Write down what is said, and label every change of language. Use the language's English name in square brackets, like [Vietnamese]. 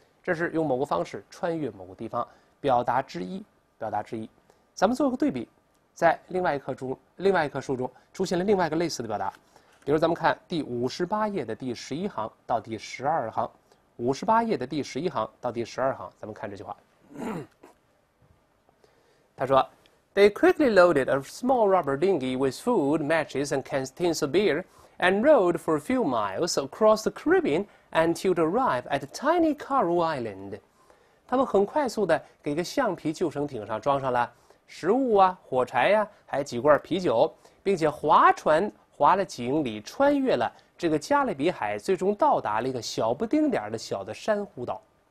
[Chinese] 这是用某个方式穿越某个地方，表达之一，表达之一。咱们做个对比，在另外一棵中，另外一棵树中出现了另外一个类似的表达，比如咱们看第五十八页的第十一行到第十二行。五十八页的第十一行到第十二行，咱们看这句话。他说 [English] ：“They quickly loaded a small rubber dinghy with food, matches, and canteens of beer, and rode for a few miles across the Caribbean until they arrived at a tiny Karu Island。” [Chinese] 他们很快速的给一个橡皮救生艇上装上了食物啊、火柴呀、还有几罐啤酒，并且划船划了几英里，穿越了这个加勒比海，最终到达了一个小不丁点的小的珊瑚岛。